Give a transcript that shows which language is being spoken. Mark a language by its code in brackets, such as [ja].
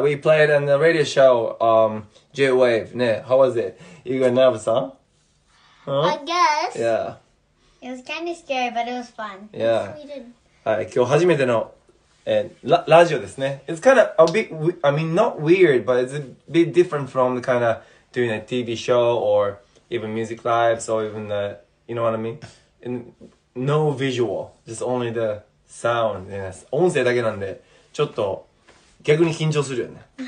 [en] We played on the radio show, J-Wave. ね、how was it? You got nervous, huh? Huh? I guess. Yeah. It was kind of scary, but it was fun. Yeah. Yes, we did. [ja] はい、今日初めての、ラジオですね。 [en] It's kind of a bit, I mean, not weird, but it's a bit different from the kind of doing a TV show or even music live, so even the, you know what I mean? And no visual, just only the sound. Yes. [ja] 音声だけなんで、ちょっと逆に緊張するよね。